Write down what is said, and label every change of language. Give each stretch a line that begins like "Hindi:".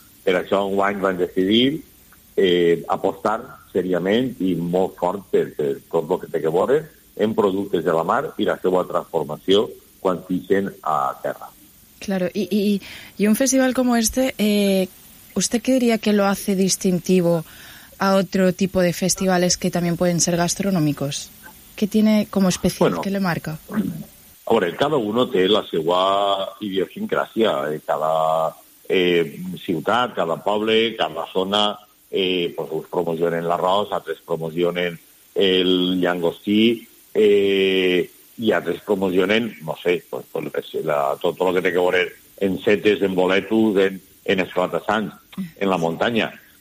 Catalan: Per això un any van decidir apostar seriament i molt fort per tot el que té que veure en productes de la mar i la seva transformació quan fixen a terra.
Spanish: Claro, y un festival como este, ¿usted qué diría que lo hace distintivo a otro tipo de festivales que también pueden ser gastronómicos? ¿Qué tiene como especial, bueno, que le marca? A ver, cada uno tiene
Catalan: la seva idiosincrasia. Cada ciutat, cada poble, cada zona, pues, uns promocionen l'arròs, altres promocionen el llangostí, i altres promocionen, no sé, pues, tot el que té que veure en setes, en boletos, en esclatassants, en la muntanya.